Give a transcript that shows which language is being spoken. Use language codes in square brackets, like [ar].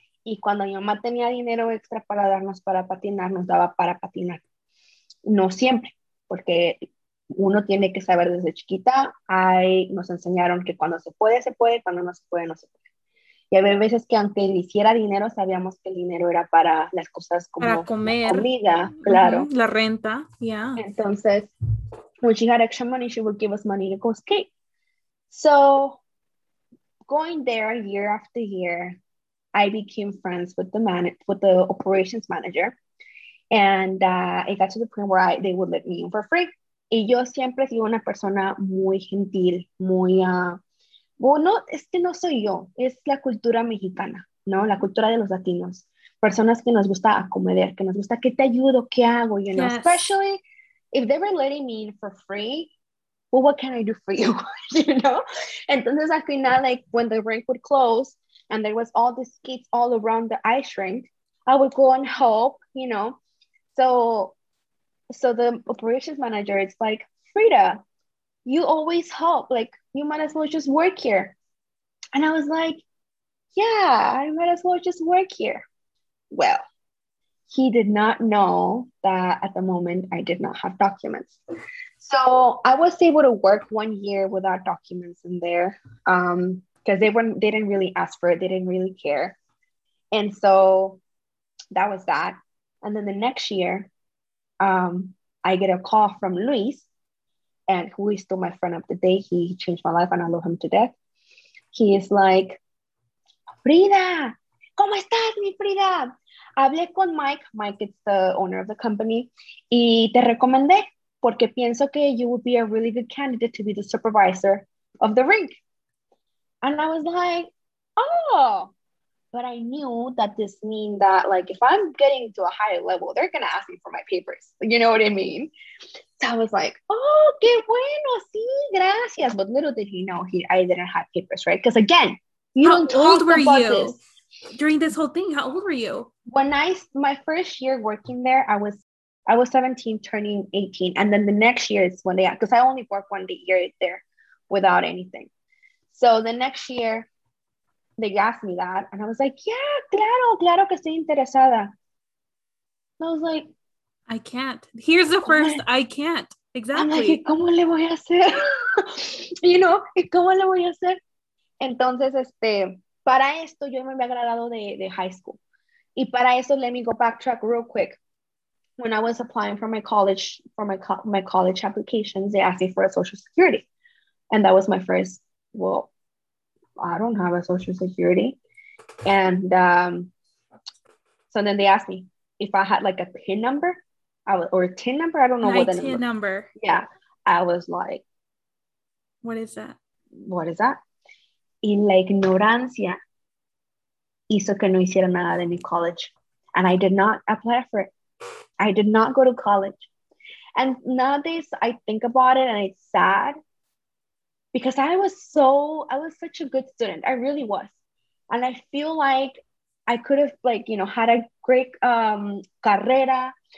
[es] Y cuando mi mamá tenía dinero extra para darnos para patinar, nos daba para patinar. No siempre, porque uno tiene que saber desde chiquita. Ahí nos enseñaron que cuando se puede, cuando no se puede, no se puede. Y había veces que aunque le hiciera dinero, sabíamos que el dinero era para las cosas como para comer, la comida, claro. La renta, yeah. [en] Entonces, when she had extra money, she would give us money to go skate. So, going there year after year, I became friends with the operations manager. And it got to the point where they would let me in for free. [es] Y yo siempre he sido una persona muy gentil, muy... Bueno, es que no soy yo, es la cultura mexicana, ¿no? La cultura de los latinos. Personas que nos gusta acomodar, que nos gusta, ¿qué te ayudo? ¿Qué hago? [en] You know, yes. Especially if they were letting me in for free, well, what can I do for you? You know? [es] Entonces, al final, [en] like, when the rink would close and there was all these kids all around the ice rink, I would go and help, you know? So the operations manager, it's like, Frida, you always help, like, you might as well just work here. And I was like, yeah, I might as well just work here. Well, he did not know that at the moment I did not have documents. So I was able to work 1 year without documents in there because they didn't really ask for it. They didn't really care. And so that was that. And then the next year, I get a call from Luis, and who is still my friend of the day. He changed my life and I love him to death. He is like, Frida, [es] ¿cómo estás, mi Frida? Hablé con Mike. [en] Mike is the owner of the company. [es] Y te recomendé porque pienso que [en] you would be a really good candidate to be the supervisor of the rink. And I was like, oh. But I knew that this mean that, like, if I'm getting to a higher level, they're going to ask me for my papers. You know what I mean? So I was like, oh, [es] qué bueno, sí, gracias. [en] But little did he know, I didn't have papers, right? Because again, you don't talk about this. How old were you during this whole thing? How old were you? My first year working there, I was I was 17 turning 18, and then the next year is when they, because I only work one day a year there without anything. So the next year they asked me that, and I was like, yeah, [es] claro que estoy interesada. [en] I was like, I can't. Here's the first, I can't. Exactly. I'm like, [es] ¿cómo le voy a hacer? [en] You know, [es] ¿cómo le voy a hacer? Entonces, para esto yo me había graduado de high school. Y para eso, [en] let me go backtrack real quick. When I was applying for my college applications, they asked me for a social security. And that was my first, well, I don't have a social security. And so then they asked me if I had like a PIN number. Or a TIN number, I don't know what the number. Number. Yeah, I was like, What is that? [es] Y la ignorancia hizo que no hiciera nada de mi college. [en] And I did not apply for it. I did not go to college. And nowadays I think about it and it's sad because I was such a good student. I really was. And I feel like I could have like, you know, had a great carrera.